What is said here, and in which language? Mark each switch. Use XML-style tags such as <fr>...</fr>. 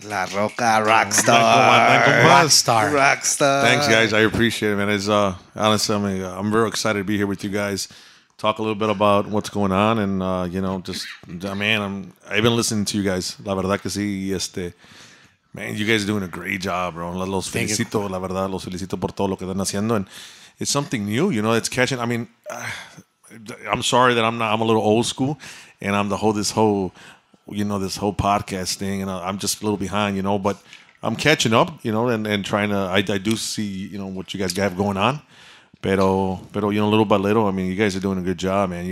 <en>La Roca, rock star. Rock star. Thanks, guys. I appreciate it, man. It's honestly, I'm real excited to be here with you guys. Talk a little bit about what's going on, and I've been listening to you guys.</en> <es>La verdad que sí,</es> <en>man. You guys are doing a great job, bro.</en> <es>Los felicito por todo lo que están haciendo.</es> <en>And it's something new, you know, it's catching. I mean, I'm sorry that I'm a little old school, and I'm this whole podcast thing, and I'm just a little behind, you know, but I'm catching up, you know, and trying to, I do see, you know, what you guys have going on, pero, you know, little by little, I mean, you guys are doing a good job, man.</en>